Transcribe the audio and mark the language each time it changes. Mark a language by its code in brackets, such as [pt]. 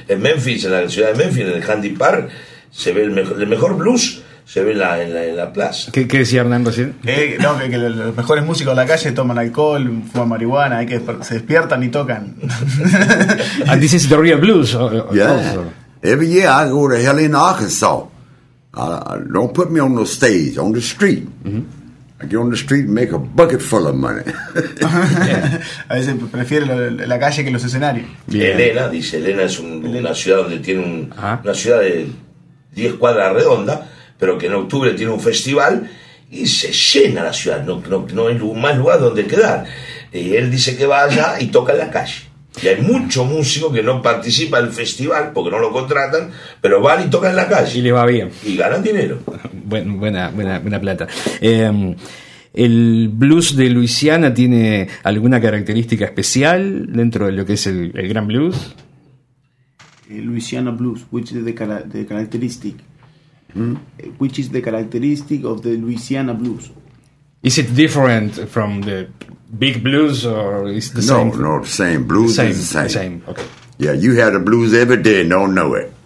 [es] En Memphis, en la ciudad de Memphis, en el Handy Park, se ve el mejor blues, se ve en la plaza. ¿Qué decía Hernán recién? No, que los mejores músicos de la calle toman alcohol, fuman marihuana, hay que se despiertan y tocan. [en] And this is the real blues. Yeah. Every year I go to Hell in Arkansas. Don't put me on the stage, on the street. Mm-hmm. I get on the street and make a bucket full of money. [es] Yeah. A veces prefiere la calle que los escenarios. Bien. Elena, dice Elena, es una ciudad donde tiene una ciudad de 10 cuadras redonda, pero que en octubre tiene un festival y se llena la ciudad. No hay más lugar donde quedar. Y él dice que va allá y toca en la calle. Y hay mucho músico que no participa del festival porque no lo contratan, pero van y tocan en la calle. Y le va bien. Y ganan dinero. Buena plata. ¿El blues de Luisiana tiene alguna característica especial dentro de lo que es el gran blues? [en] Luisiana blues, which is the characteristic? Hmm? Which is the characteristic of the Louisiana blues? Is it different from the big blues or is the same? No, the same. Blues same, is the same. Same, okay. Yeah, you had a blues every day and don't know it.